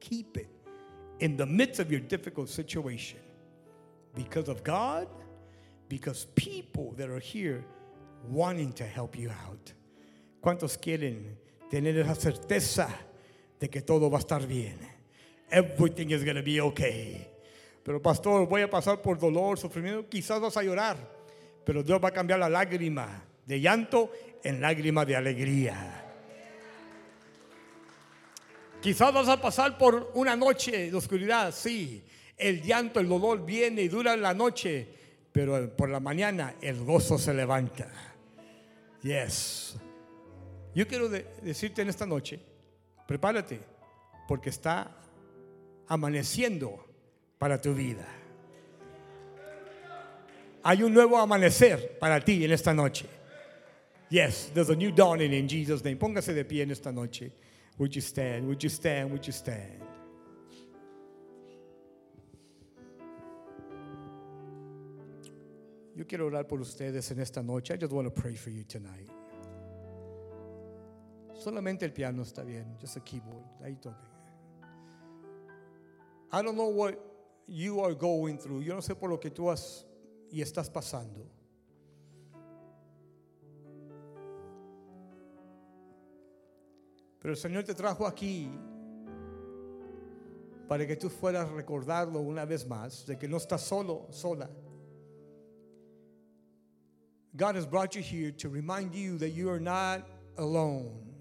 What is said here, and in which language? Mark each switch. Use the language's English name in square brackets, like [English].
[English] Keep it in the midst of your difficult situation. Because of God, because people that are here wanting to help you out. [Spanish] ¿Cuántos quieren tener esa certeza de que todo va a estar bien? [English] Everything is going to be okay. [Spanish] Pero pastor, voy a pasar por dolor, sufrimiento, quizás vas a llorar, pero Dios va a cambiar la lágrima de llanto en lágrima de alegría. Quizás vas a pasar por una noche de oscuridad, sí, el llanto, el dolor viene y dura la noche, pero por la mañana el gozo se levanta. Yes. Yo quiero decirte en esta noche, prepárate, porque está amaneciendo para tu vida. Hay un nuevo amanecer para ti en esta noche. [English] Yes, there's a new dawning in Jesus' name. [Spanish] Póngase de pie en esta noche. [English] Would you stand? Would you stand? Would you stand? [Spanish] Yo quiero orar por ustedes en esta noche. [English] I just want to pray for you tonight. [Spanish] Solamente el piano está bien. [English] Just a keyboard. [Spanish] Ahí toque. [English] I don't know what you are going through. [Spanish] Yo no sé por lo que tú has y estás pasando. Pero el Señor te trajo aquí para que tú fueras a recordarlo una vez más, de que no estás solo, sola. [English] God has brought you here to remind you that you are not alone.